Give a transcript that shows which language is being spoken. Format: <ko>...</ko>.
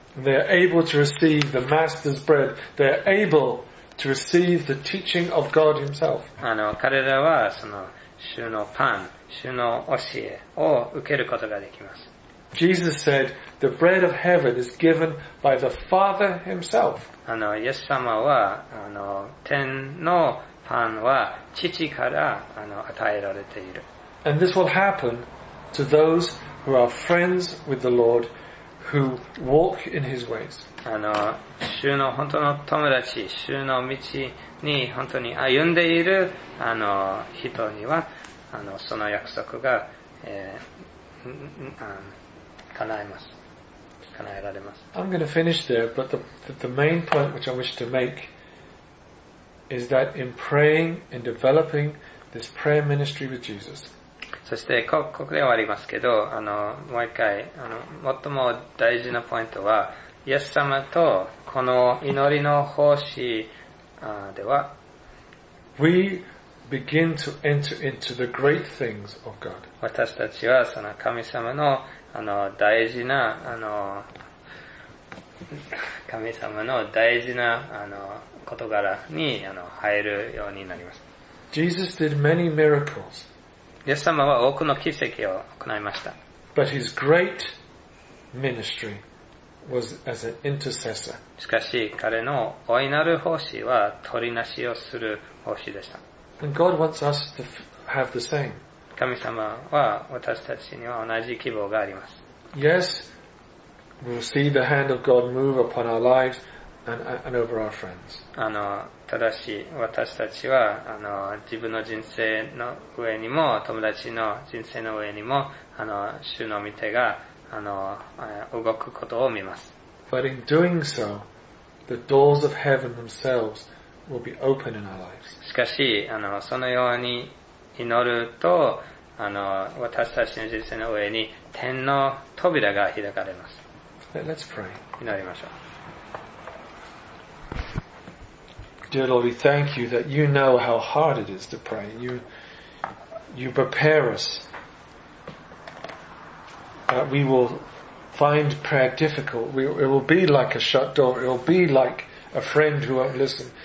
<en>They are able to receive the master's bread. They are able to receive the teaching of God himself.</en> <ja>彼らはその主のパン、主の教えを受けることができます。</ja> <en>Jesus said, the bread of heaven is given by the Father himself.</en> <ja>イエス様は天のパンは父から与えられている。</ja> <en>And this will happen to those who are friends with the Lord, who walk in his ways.</en> <ja>主の本当の友達、主の道に本当に歩んでいる人にはその約束が、叶えられます。</ja> <en>I'm going to finish there, but the main point which I wish to make is that in praying and developing this prayer ministry with Jesus.</en> <ja>そして ここで終わりますけど、もう一回、最も大事なポイントは、イエス様とこの祈りの奉仕では、</ja> <en>We begin to enter into the great things of God.</en> <ja>私たちはその神様の大事な神様の大事な事柄に入るようになります。</ja> <en>Jesus did many miracles.</en> <ja>イエス様は多くの奇跡を行いました。</ja> <en>But his great ministry was as an intercessor.</en> <ja>しかし彼の大いなる奉仕は取りなしをする奉仕でした。</ja> <en>And God wants us to have the same.</en> <ja>神様は私たちには同じ希望があります。</ja> <en>Yes, we'll see the hand of God move upon our lives and over our friends.</en> <ja>ただし私たちは自分の人生の上にも友達の人生の上にも主の御手が動くことを見ます。</ja> <en>But in doing so, the doors of heaven themselves will be open in our lives.</en> <ja>しかしそのように祈ると私たちの人生の上に天の扉が開かれます。</ja> <en>Let's pray.</en> <ja>祈りましょう。</ja> <en>Dear Lord, we thank you that you know how hard it is to pray. You prepare us that we will find prayer difficult. It will be like a shut door. It will be like a friend who won't listen.</en>